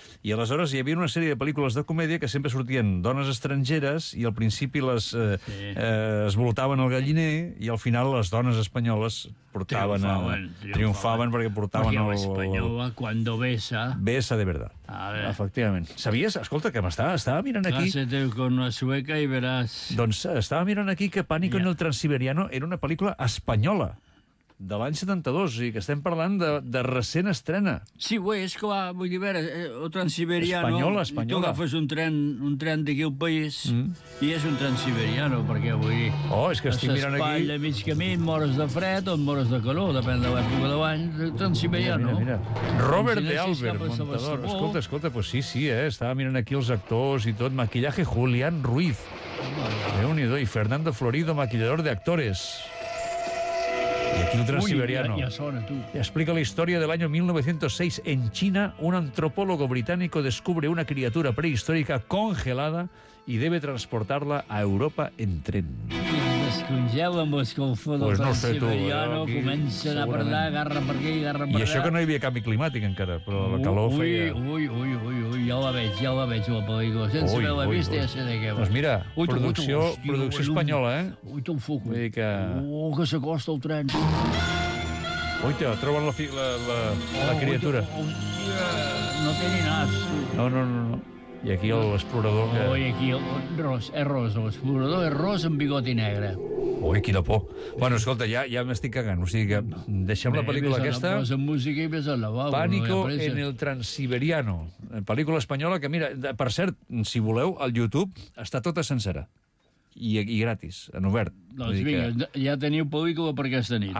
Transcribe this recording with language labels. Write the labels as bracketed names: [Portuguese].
[Catalan] I aleshores hi havia una sèrie de pel·lícules de comèdia que sempre sortien dones estrangeres i al principi les es voltaven al galliner i al final les dones espanyoles portaven... Triomfaven perquè portaven... Porque [Spanish] la española, cuando besa... Besa de verdad. [Catalan] Efectivament. Sabies? Escolta, que m'estava mirant aquí... [Spanish] Cásate con una sueca y verás... [Catalan] Doncs estava mirant aquí que Pánico en el Transiberiano era una pel·lícula espanyola, de l'any 72, i que estem parlant de recent estrena. Sí, ho és, clar, vull dir, a veure, el Transiberiano... Espanyola. Tu agafes un tren d'aquí al país i és un Transiberiano, perquè vull dir... Oh, és que estic mirant aquí... S'espatlla mig camí, mores de fred o mores de calor, depèn de l'època de l'any, Transiberiano. Mira. Robert de Albert, muntador. Escolta, pues sí, estava mirant aquí els actors i tot. Maquillaje Julián Ruiz. Déu-n'hi-do. I Fernando Florido, maquillador d'actores. Ultra Siberiano. [Spanish] Explica la historia del año 1906 en China. Un antropólogo británico descubre una criatura prehistórica congelada y debe transportarla a Europa en tren. [Catalan] Congela amb l'escalfor del Transiberiano, comencen a parlar, agarra per aquí, agarra per allà... I això que no hi havia canvi climàtic encara, però la calor feia... Ui, ja la veig, la pel·lícula. Sense haver la vista, ja sé de què va. Doncs mira, producció espanyola, eh? Ui, te'n foco. Vull dir que... Oh, que s'acosta el tren. Uita, troben la criatura. No té ni nas. No. I aquí l'explorador... Que... Oi, aquí és ros, l'explorador és ros amb bigoti negre. Ui, quina por. Bueno, escolta, ja m'estic cagant, o sigui que deixem la pel·lícula aquesta. Vés amb música i vés al lavabo. Pánico en el Transiberiano. Pel·lícula espanyola que, mira, per cert, si voleu, al YouTube està tota sencera. I gratis, en obert. Doncs vinga, ja teniu pel·lícula per aquesta nit.